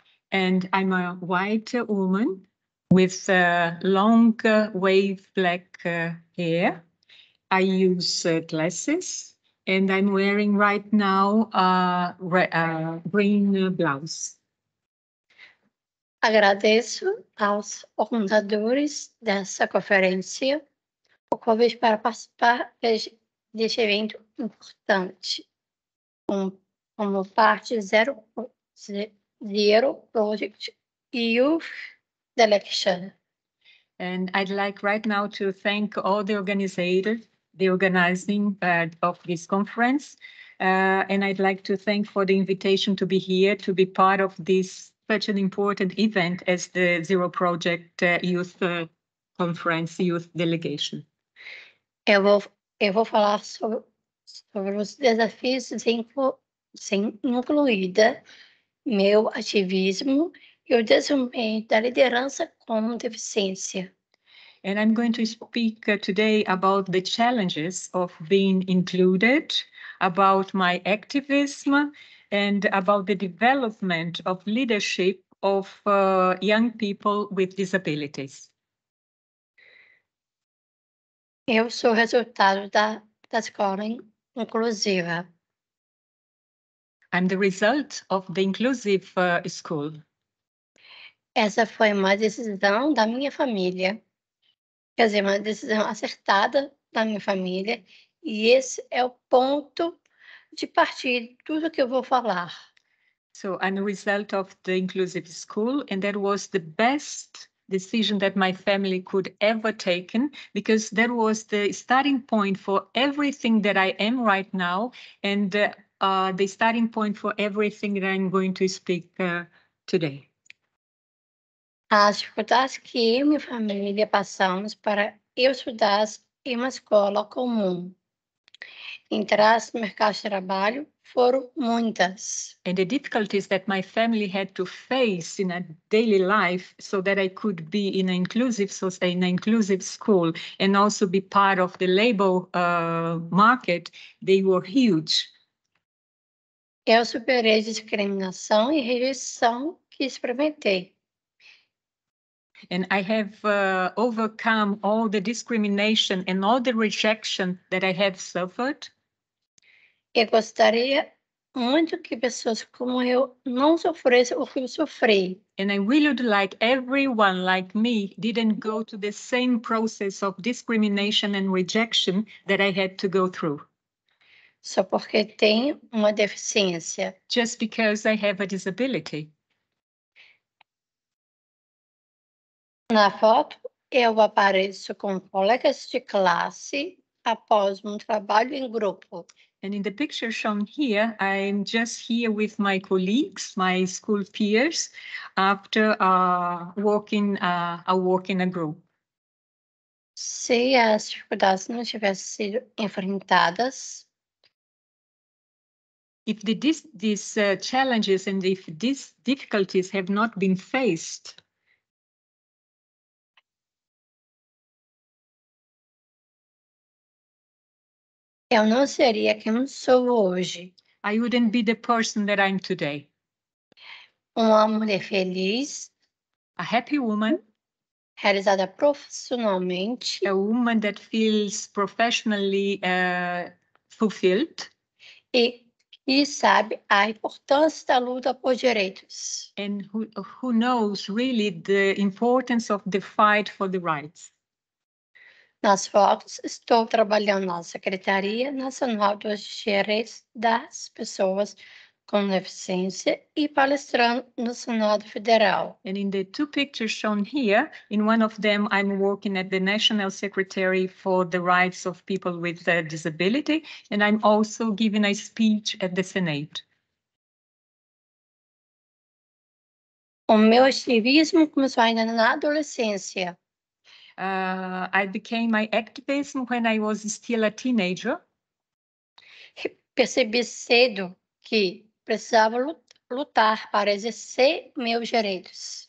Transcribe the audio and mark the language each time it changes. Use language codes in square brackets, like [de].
[en] And I'm a white woman with long wave black hair. I use glasses and I'm wearing right now a green blouse. [pt] Agradeço aos organizadores dessa conferência o convite para participar deste evento importante, como parte Zero Project Youth Delegation. [en] And I'd like right now to thank all the organizers, the organizing of this conference. And I'd like to thank for the invitation to be here, to be part of this such an important event as the Zero Project Youth Conference Youth Delegation. [pt] Eu vou falar sobre os desafios sem incluída, meu ativismo e o desenvolvimento da liderança com deficiência. [en] And I'm going to speak today about the challenges of being included, about my activism and about the development of leadership of young people with disabilities. [pt] Eu sou resultado da escola inclusiva. [en] I'm the result of the inclusive school. [pt] Essa foi uma decisão da minha família. Quer dizer, uma decisão acertada da minha família. E esse é o ponto de partida de tudo que eu vou falar. [en] So, I'm the result of the inclusive school, and that was the best decision that my family could ever taken, because that was the starting point for everything that I am right now, and the starting point for everything that I'm going to speak today. [pt] As dificuldades que eu e minha família passamos para eu estudar em uma escola comum. Entradas no mercado de trabalho foram muitas. [en] And the difficulties that my family had to face in a daily life so that I could be in an inclusive society, in an inclusive school and also be part of the labor market, they were huge. [pt] Eu superei a discriminação e rejeição que experimentei. [en] And I have overcome all the discrimination and all the rejection that I have suffered. [pt] Eu gostaria muito que pessoas como eu não sofressem o que eu sofri. [en] And I really would like everyone like me didn't go to the same process of discrimination and rejection that I had to go through. [pt] Só porque tem uma deficiência. [en] Just because I have a disability. [pt] Na foto, eu apareço com colegas de classe após um trabalho em grupo. [en] And in the picture shown here, I'm just here with my colleagues, my school peers, after working a group. [pt] Se as dificuldades não tivessem sido enfrentadas, [en] if these challenges and if these difficulties have not been faced, [pt] eu não seria quem sou hoje. [en] I wouldn't be the person that I'm today. [pt] Uma mulher feliz. [en] A happy woman. [pt] Realizada profissionalmente. [en] A woman that feels professionally fulfilled. [pt] E sabe a importância da luta por direitos. [en] And who knows really the importance of the fight for the rights. [pt] Nas fotos, estou trabalhando na Secretaria Nacional dos Direitos das Pessoas com Deficiência e palestrando no Senado Federal. [en] And in the two pictures shown here, in one of them, I'm working at the National Secretary for the Rights of People with a Disability, and I'm also giving a speech at the Senate. [pt] O meu ativismo começou ainda na adolescência. [en] I became my activism when I was still a teenager. [pt] Percebi cedo que precisava lutar para exercer meus direitos.